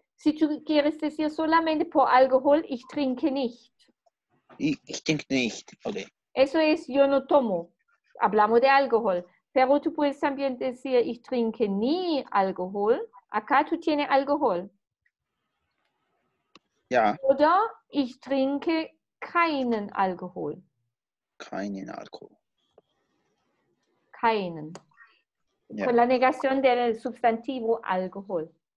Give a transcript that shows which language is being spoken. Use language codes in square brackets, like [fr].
[es] Si tú quieres decir solamente por alcohol, [de] ich trinke nicht. Ich trinke nicht, okay. [es] Eso es, yo no tomo. Hablamos de alcohol. Pero tú puedes también decir, [de] ich trinke nie [es] alcohol. Acá tú tienes alcohol. [de] Ja. Oder ich trinke keinen Alkohol. Keinen Alkohol. Keinen. Ja. [es] Con la negación del Substantivo Alkohol.